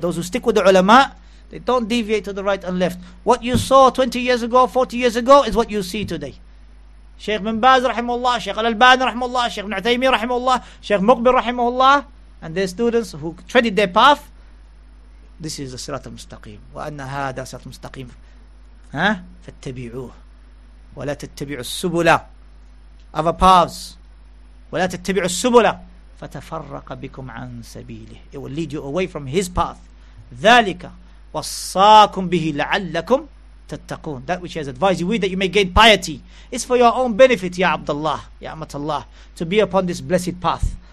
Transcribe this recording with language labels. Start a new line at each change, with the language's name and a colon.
English: Those who stick with the ulama, they don't deviate to the right and left. What you saw 20 years ago, 40 years ago, is what you see today. Sheikh bin Baz, rahimahullah, Sheikh Al-Albani, rahimahullah, Sheikh bin Uthaymeen, rahimahullah, Sheikh Muqbil, rahimahullah, and their students who treaded their path, this is the Sirat al-Mustaqim.
Arabic: وَأَنَّ هَذَا Sirat al-Mustaqim. فَاتَّبِعُوهُ وَلَا تَتَّبِعُوا السُّبُلَ
English: Other paths.
Arabic: وَلَا تَتَّبِعُوا السُّبُلَ فَتَفَرَّقَ بِكُمْ عَن سَبِيلِهِ
English: It will lead you away from his path.
Arabic: ذَلِكَ وَصَّاكُمْ بِهِ لَعَلَّكُمْ تَتَّقُونَ
English: That which he has advised you with, that you may gain piety. It's for your own benefit, Ya Abdullah, Ya Amatullah, to be upon this blessed path.